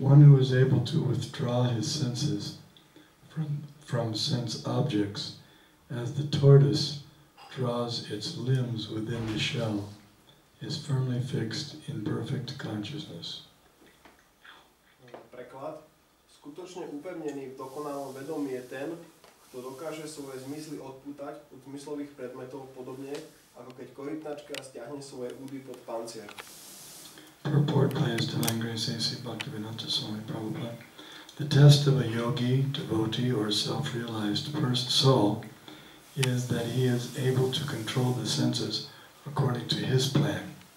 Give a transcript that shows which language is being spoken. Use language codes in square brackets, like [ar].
[en] One who is able to withdraw his senses from sense objects, as the tortoise draws its limbs within the shell, is firmly fixed in perfect consciousness. [sk] Preklad. Skutočne upevnený v dokonalom vedomí je ten, kto dokáže svoje zmysly odpútať od zmyslových predmetov podobne, ako keď korytnačka stiahne svoje údy pod pancier. [en] Purport by his divine grace, A.C. Bhaktivinoda Swami Prabhupada. The test of a yogi, devotee, or self-realized first soul is that he is able to control the senses according to his plan.